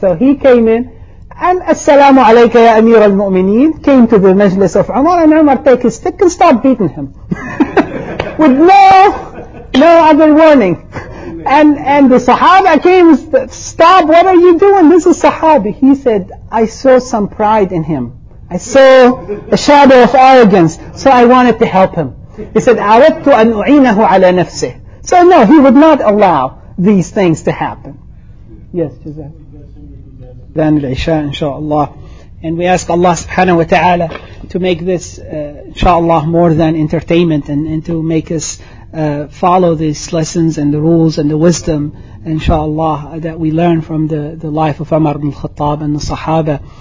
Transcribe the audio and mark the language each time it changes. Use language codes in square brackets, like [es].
[en] So he came in and Assalamu alayka ya Amir al-Mu'mineen, came to the majlis of Umar, and Umar take his stick and start beating him. With no other warning. And the Sahaba came, stop, what are you doing? This is Sahabi. He said, I saw some pride in him. I saw a shadow of arrogance, so I wanted to help him. He said, [ar] أَرَدْتُ أَنْ أُعِينَهُ عَلَى نَفْسِهِ. [en] So no, he would not allow these things to happen. Yes, Jazakallah. Then the Isha, inshaAllah. And we ask Allah subhanahu wa ta'ala to make this, inshaAllah, more than entertainment and to make us follow these lessons and the rules and the wisdom, inshaAllah, that we learn from the life of Umar ibn al-Khattab and the Sahaba.